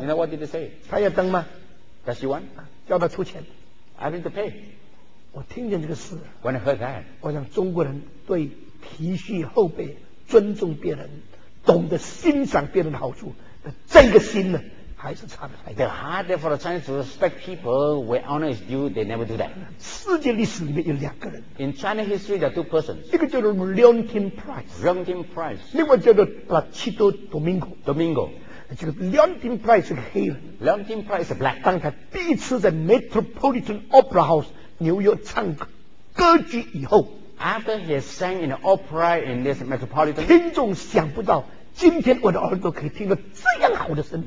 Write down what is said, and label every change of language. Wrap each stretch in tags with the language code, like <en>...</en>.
<en>？You know what did they say?</en> <zh>他要登吗</zh> <en>？Does he want?</en> <zh>叫他出钱。</zh> <en>I need to pay.</en> <zh>我听见这个事。</zh> <en>When I heard that,</en> <zh>我想中国人对体恤后辈、尊重别人、懂得欣赏别人的好处的这个心呢？</zh> <en>The heart for the Chinese to respect people where honor is due, they never do that.</en> <zh>世界历史里面有两个人。</zh> <en>In China history, there are two persons.</en> <zh>一个叫做 Leontine Price.</zh> <en>Leontine Price.</en> <zh>另外叫做 Placido Domingo.</zh> <en>Domingo.</en> <zh>这个 Leontine Price 是个黑人。</zh> <en>Leontine Price is black.</en> <zh>当他第一次在 Metropolitan Opera House, 纽约唱歌剧以后</zh> <en>，After he sang in the opera in this Metropolitan,</en> <zh>听众想不到。今天我的耳朵可以听到这样好的声音</zh>